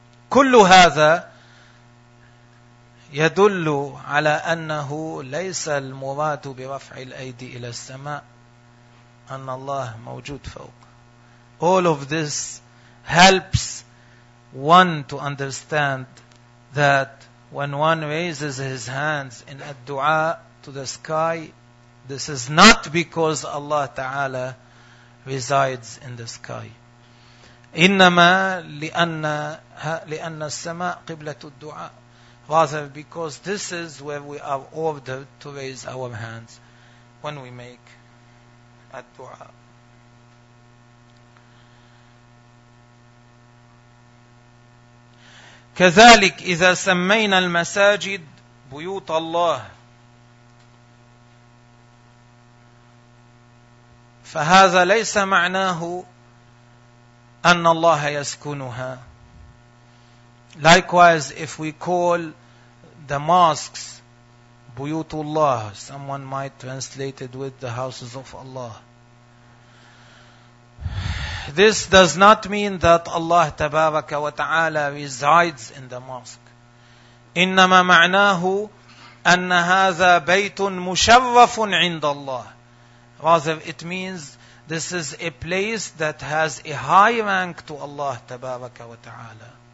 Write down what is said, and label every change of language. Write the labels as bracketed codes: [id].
[ar] كل هذا يدل على أنه ليس المراد برفع الأيدي إلى السماء أن الله موجود فوق. [en] All of this helps one to understand that when one raises his hands in a dua to the sky, this is not because Allah Ta'ala resides in the sky. [ar] إنما لأن السماء قبلة الدعاء. [en] Rather because this is where we are ordered to raise our hands when we make a dua. [ar] كذلك إذا سمينا المساجد بيوت الله فهذا ليس معناه أن الله يسكنها. [en] Likewise, if we call the mosques [ar] بيوت الله, [en] someone might translate it with the houses of Allah. This does not mean that Allah [ar] تبارك وتعالى [en] resides in the mosque. [ar] إنما معناه أن هذا بيت مشرف عند الله. [en] Rather, it means this is a place that has a high rank to Allah [ar] تبارك وتعالى.